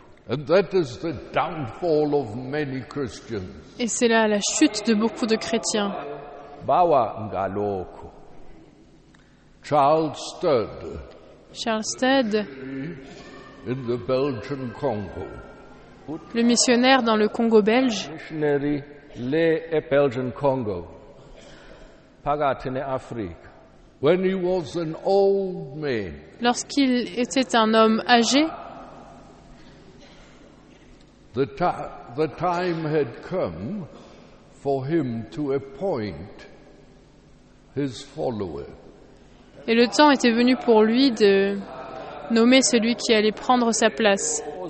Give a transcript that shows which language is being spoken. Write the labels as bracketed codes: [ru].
[en] And that is the downfall of many Christians. [fr] Et c'est là la chute de beaucoup de chrétiens. [zu] Bawa ngalokho. [en] Charles Sturd, in the Belgian Congo. [fr] Le missionnaire dans le Congo belge. Missionary le Belgian Congo. [zu] Pagati ne Afrika. [en] When he was an old man, [fr] lorsqu'il était un homme âgé, [en] the time had come for him to appoint his follower. [fr] Et le temps était venu pour lui de nommer celui qui allait prendre sa place.